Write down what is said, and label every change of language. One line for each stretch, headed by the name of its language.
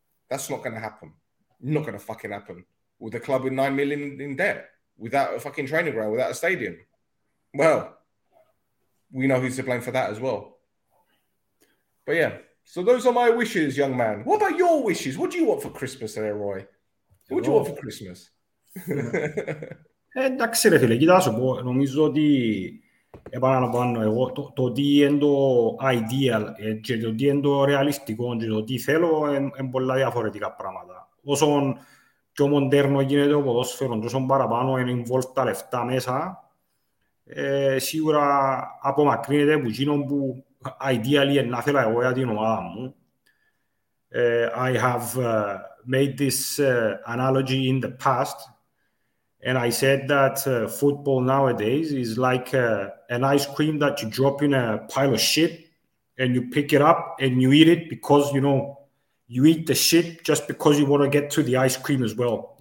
English: Not going to fucking happen with a club with 9 million in debt, without a fucking training ground, without a stadium. Well, we know who's to blame for that as well. But yeah. So those are my wishes, young man. What about your wishes? What do you want for Christmas there, Roy? What do you want for Christmas?
Greek: Εντάξει ρε φίλε, κοιτάσω, νομίζω ότι επαναλαμβάνω εγώ το τι είναι το ideal και το τι είναι το ρεαλιστικό και το τι θέλω είναι πολλά διαφορετικά πράγματα. Όσο πιο μοντέρνο γίνεται ο ποδόσφαιρο, όσο παραπάνω είναι involved τα λεφτά μέσα, σίγουρα απομακρύνεται από εκείνον που ideally να θέλω εγώ για την ομάδα μου.
English: I have made this analogy in the past, and I said that football nowadays is like an ice cream that you drop in a pile of shit, and you pick it up and you eat it because, you know, you eat the shit just because you want to get to the ice cream as well.